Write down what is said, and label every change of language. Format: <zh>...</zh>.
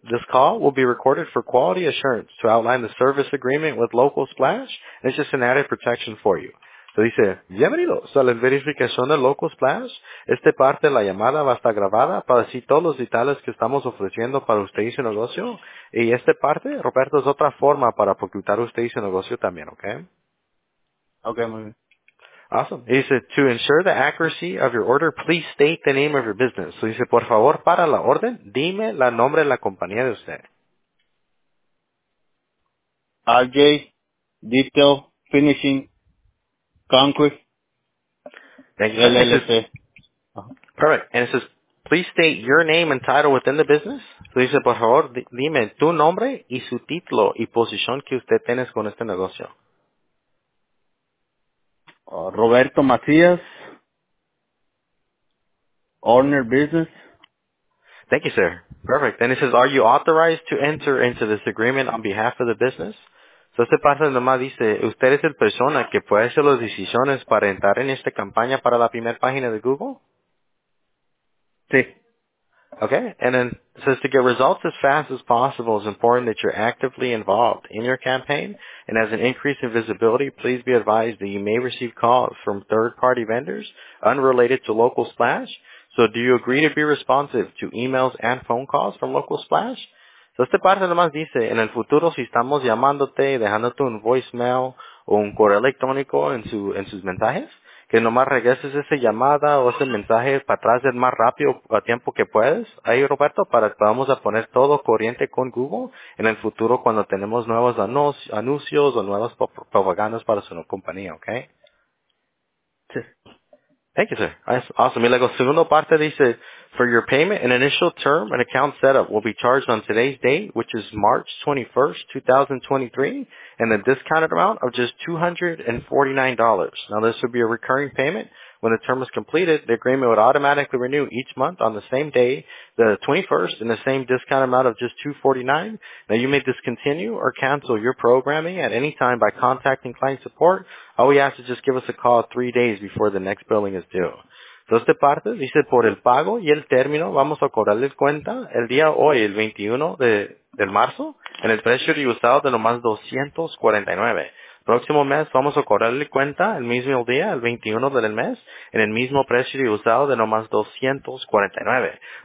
<en>This call will be recorded for quality assurance to outline the service agreement with Local Splash. And it's just an added protection for you. So he says,</en> <es>bienvenidos a la verificación de Local Splash. Esta parte de la llamada va a estar grabada para así todos los detalles que estamos ofreciendo para usted y su negocio. Y esta parte, Roberto, es otra forma para ocultar usted y su negocio también, okay? Okay, muy bien.</es> <en>Awesome. He said, to ensure the accuracy of your order, please state the name of your business. So he said,</en> <es>por favor, para la orden, dime la nombre de la compañía de usted.</es> <en>RJ Detail Finishing Concrete. Thank you. LLC. Perfect. And it says, please state your name and title within the business. So he said,</en> <es>por favor, dime tu nombre y su título y posición que usted tienes con este negocio.</es> <en>Roberto Macias, owner business. Thank you, sir. Perfect. And it says, are you authorized to enter into this agreement on behalf of the business?</en> <es>So, este parte nomás dice, usted es el persona que puede hacer las decisiones para entrar en esta campaña para la primera página de Google? Sí.</es> <en>Okay. And then it says, to get results as fast as possible, it's important that you're actively involved in your campaign. And as an increase in visibility, please be advised that you may receive calls from third-party vendors unrelated to Local Splash. So do you agree to be responsive to emails and phone calls from Local Splash?</en> <es>So esta parte nomás dice, en el futuro, si estamos llamándote, dejándote un voicemail o un correo electrónico en sus mensajes, que nomás regreses esa llamada o ese mensaje para atrás del más rápido a tiempo que puedes. Ahí, Roberto, para que vamos a poner todo corriente con Google en el futuro cuando tenemos nuevos anuncios o nuevas propagandas para su compañía, ¿ok? Sí.</es> <en>Thank you, sir. That's awesome.</en> <es>Y luego, segunda parte dice,</es> <en>for your payment, an initial term and account setup will be charged on today's date, which is March 21st, 2023, and a discounted amount of just $249. Now, this would be a recurring payment When the term was completed, the agreement would automatically renew each month on the same day, the 21st, in the same discount amount of just $249. Now, you may discontinue or cancel your programming at any time by contacting client support. All we ask is just give us a call 3 days before the next billing is due.</en> <es>Entonces, de parte, dice, por el pago y el término, vamos a cobrarle cuenta el día hoy, el 21 del marzo, en el precio reajustado de nomás $249. Próximo mes, vamos a cobrarle cuenta el mismo día, el 21 del mes, en el mismo precio reajustado de nomás $249.</es>